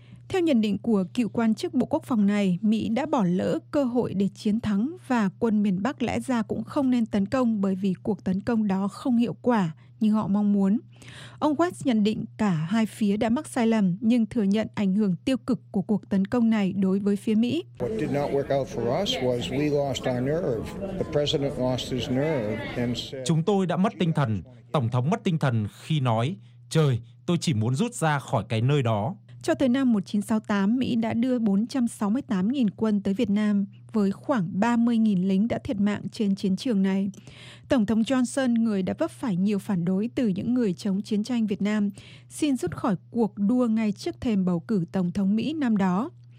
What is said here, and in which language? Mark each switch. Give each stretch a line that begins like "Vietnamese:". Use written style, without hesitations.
Vietnamese: Theo nhận định của cựu quan chức Bộ Quốc phòng này, Mỹ đã bỏ lỡ cơ hội để chiến thắng và quân miền Bắc lẽ ra cũng không nên tấn công bởi vì cuộc tấn công đó không hiệu quả như họ mong muốn. Ông West nhận định cả hai phía đã mắc sai lầm nhưng thừa nhận ảnh hưởng tiêu cực của cuộc tấn công này đối với phía Mỹ.
English: What did not work out for us was we lost our nerve. The president lost his nerve and said,
Vietnamese: chúng tôi đã mất tinh thần, tổng thống mất tinh thần khi nói, trời, tôi chỉ muốn rút ra khỏi cái nơi đó. Cho tới năm 1968, Mỹ đã đưa 468.000 quân tới Việt Nam, với khoảng 30.000 lính đã thiệt mạng trên chiến trường này. Tổng thống Johnson, người đã vấp phải nhiều phản đối từ những người chống chiến tranh Việt Nam, xin rút khỏi cuộc đua ngay trước thềm bầu cử Tổng thống Mỹ năm đó.